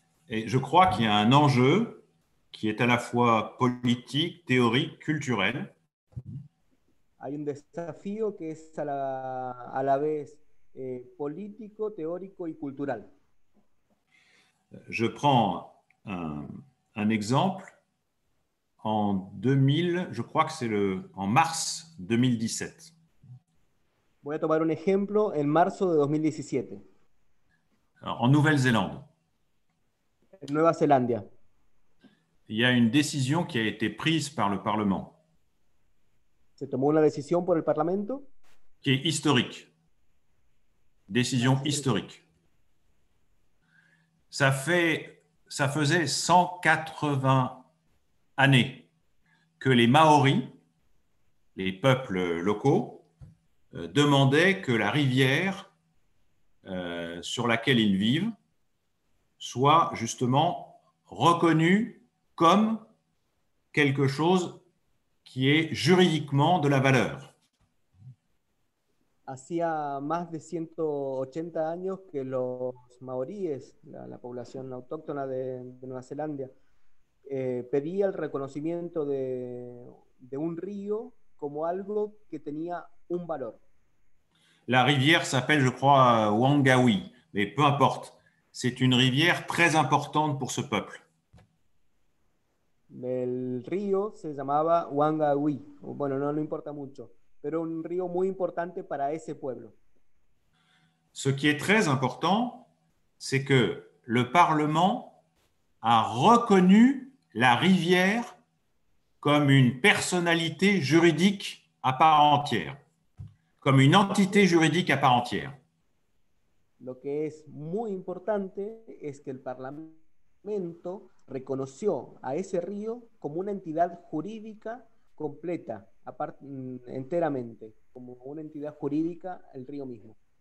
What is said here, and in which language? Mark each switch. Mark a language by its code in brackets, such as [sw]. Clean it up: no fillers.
[fr] Et je crois qu'il y a un enjeu qui est à la fois politique, théorique, culturel. [es] Hay un desafío que es a la vez político, teórico y cultural. [fr] Je prends un exemple. En 2000, je crois que c'est en mars 2017. [es] Voy a tomar un ejemplo en marzo de 2017. [fr] Alors, en Nouvelle-Zélande. En Nouvelle-Zélande. Il y a une décision qui a été prise par le Parlement. [es] Se tomó una decisión por el Parlamento. [fr] Qui est historique. Décision historique. Ça faisait 180 années que les Maoris, les peuples locaux, demandaient que la rivière sur laquelle ils vivent soit justement reconnue comme quelque chose qui est juridiquement de la valeur. [es] Hacía más de 180 años que los maoríes, la población autóctona de Nueva Zelanda, pedía el reconocimiento de un río como algo que tenía un valor. [fr] La rivière s'appelle, je crois, Whangaui, mais peu importe, c'est une rivière très importante pour ce peuple. [es] El río se llamaba Whangaui, bueno, no importa mucho. Pero un río muy importante para ese pueblo. [fr] Ce qui est très important, c'est que le Parlement a reconnu la rivière comme une personnalité juridique à part entière, comme une entité juridique à part entière. [es] Lo que es muy importante es que el Parlamento reconoció a ese río como una entidad jurídica completa. Enteramente, como una entidad jurídica, el río mismo.